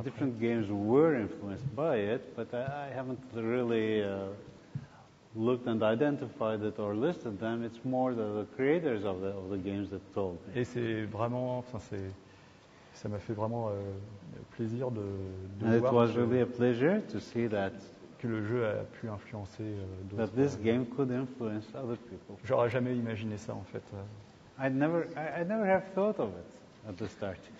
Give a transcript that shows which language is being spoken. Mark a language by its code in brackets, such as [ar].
[en] Different games were influenced by it, but I haven't really looked and identified it or listed them. It's more the creators of the games that told me. [fr] Et c'est vraiment, enfin c'est, ça m'a fait vraiment plaisir de voir. [en] It was really a pleasure to see that. [fr] Que le jeu a pu influencer d'autres. [en] That this game could influence other people. [fr] J'aurais jamais imaginé ça en fait. [en] I never have thought of it at the start.